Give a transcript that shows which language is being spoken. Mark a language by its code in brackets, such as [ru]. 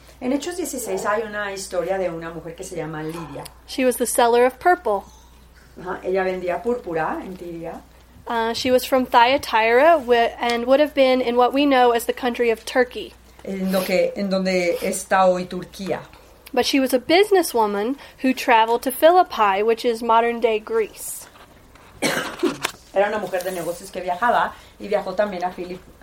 [es] En Hechos 16 hay una historia de una mujer que se llama Lydia. [en] She was the seller of purple. [es] Ella vendía púrpura en Tiria. [en] She was from Thyatira and would have been in what we know as the country of Turkey. [es] En donde está hoy Turquía. [en] But she was a businesswoman who traveled to Philippi, which is modern-day Greece. [es] Era una mujer de negocios que viajaba y viajó también a Filip.